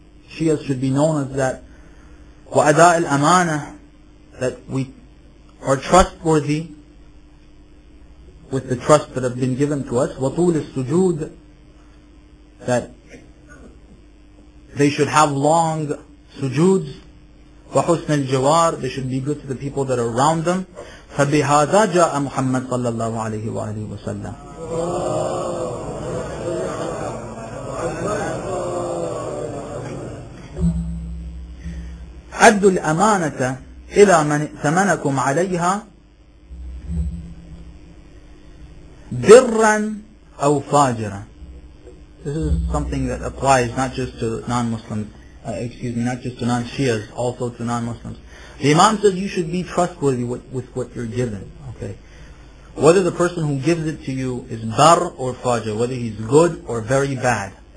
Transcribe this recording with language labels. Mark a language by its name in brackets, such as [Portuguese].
[English] Shias should be known as that. [Arabic] Wa ada' al amana, [English] that we are trustworthy with the trust that have been given to us. [Arabic] وطول السجود, [English] that they should have long sujoods. [Arabic] وحسن الجوار, [English] they should be good to the people that are around them. [Arabic] فبهذا جاء محمد صلى الله عليه وآله وسلم. أدوا الأمانة إلى من ائتمنكم عليها birran aw fajran. [English] This is something that applies not just to non-Muslims, not just to non-Shias, also to non-Muslims. The Imam says you should be trustworthy with what you're given. Okay, whether the person who gives it to you is bar or fajr, whether he's good or very bad.